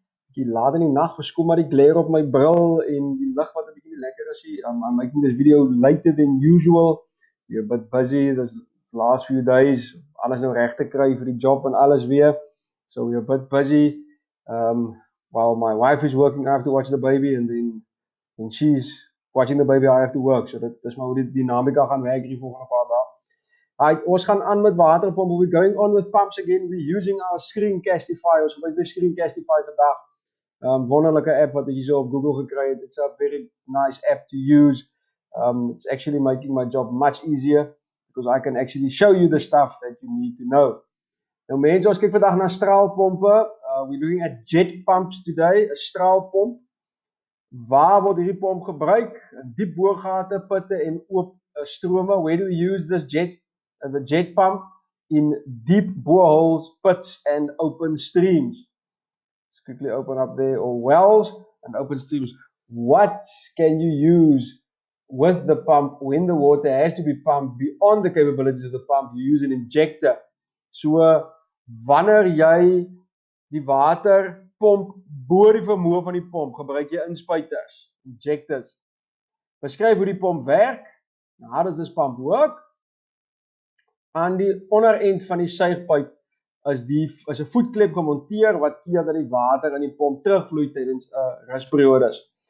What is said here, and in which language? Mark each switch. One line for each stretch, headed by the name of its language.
Afrikaans: Bietjie laat in die nag verskom maar die glare op my bril en die lig wat 'n bietjie nie lekker is hier.
English: I'm making this video later than usual. You're a bit busy this last few days.
Afrikaans: Alles nou reg te kry vir die job en alles weer.
English: So we're a bit busy. While my wife is working, I have to watch the baby and then she's watching the baby, I have to work.
Afrikaans: So dis maar hoe die dinamika gaan werk hier volgende paar dae. Hi, ons gaan aan met waterpomp.
English: We're going on with pumps again. We're using our screencastify.
Afrikaans: Ons gebruik die screencastify vandag. Wonderlike app wat ek hier so op Google gekry het.
English: It's a very nice app to use. It's actually making my job much easier because I can actually show you the stuff that you need to know.
Afrikaans: Nou mense, ons kyk vandag na straalpompe.
English: We're looking at jet pumps today, a
Afrikaans: straalpomp. Waar word hierdie pomp gebruik? Diep boorgate, putte en oop strome.
English: Where do we use this jet? The jet pump in deep boreholes, pits and open streams. Let's quickly open up there, or wells and open streams. What can you use with the pump when the water has to be pumped beyond the capabilities of the pump? You use an injector.
Afrikaans: So, wanneer jy die water pomp bo die vermoë van die pomp, gebruik jy inspuiters, injectors. Beskryf hoe die pomp werk.
English: How does this pump work?
Afrikaans: Aan die onderend van die suigpyp is 'n voetklep gemonteer wat keer dat die water in die pomp terugvloei tydens 'n rusperiodes.